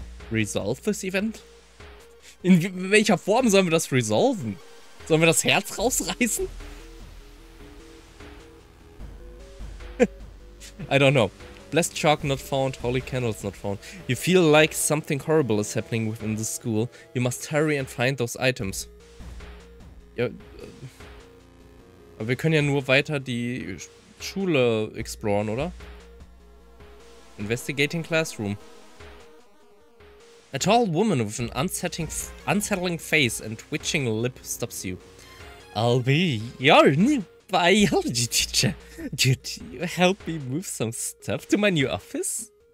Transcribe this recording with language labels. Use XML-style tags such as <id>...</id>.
<en>Resolve this event?</en> <de>In welcher Form sollen wir das resolven? Sollen wir das Herz rausreißen?</de> <en>I don't know. Blessed chalk not found, holy candles not found. You feel like something horrible is happening within the school. You must hurry and find those items.</en> <de>Ja, aber wir können ja nur weiter die Schule exploren, oder?</de> <en>Investigating classroom. A tall woman with an unsettling face and twitching lip stops you. I'll be your new biology teacher. Could you help me move some stuff to my new office?</en>